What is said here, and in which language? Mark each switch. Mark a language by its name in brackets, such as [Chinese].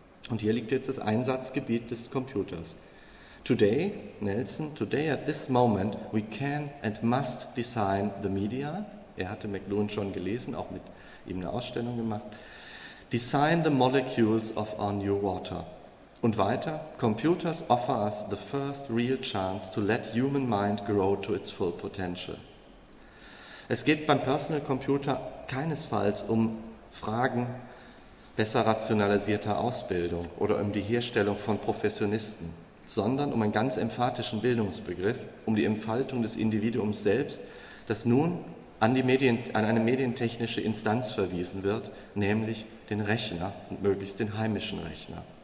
[German] Und hier liegt jetzt das Einsatzgebiet des Computers. [English] Today, Nelson, today at this moment, we can and must design the media. [German] Er hatte McLuhan schon gelesen, auch mit ihm eine Ausstellung gemacht. [English] Design the molecules of our new water. [German] Und weiter, [English] computers offer us the first real chance to let human mind grow to its full potential. [German] Es geht beim Personal Computer keinesfalls um Fragen besser rationalisierter Ausbildung oder um die Herstellung von Professionisten, sondern um einen ganz emphatischen Bildungsbegriff, um die Entfaltung des Individuums selbst, das nun an eine medientechnische Instanz verwiesen wird, nämlich den Rechner und möglichst den heimischen Rechner.